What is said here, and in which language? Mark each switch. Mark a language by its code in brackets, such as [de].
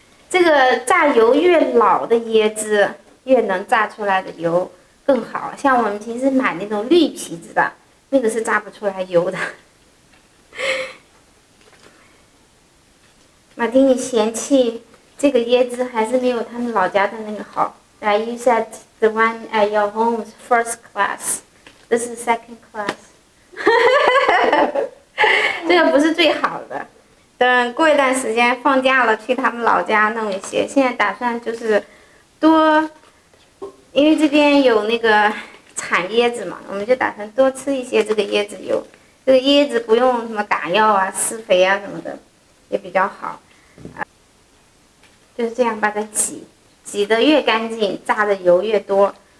[zh] 这个榨油越老的椰汁越能榨出来的油更好，像我们平时买那种绿皮子的那个是榨不出来油的。马丁尼嫌弃这个椰汁还是没有他们老家的那个好。 [en] You said the one at your home is first class, this is second class. [zh] 这个不是最好的，等过一段时间放假了去他们老家弄一些。现在打算就是多，因为这边有那个产椰子嘛，我们就打算多吃一些这个椰子油。这个椰子不用什么打药啊施肥啊什么的也比较好，就是这样把它挤，挤得越干净榨的油越多。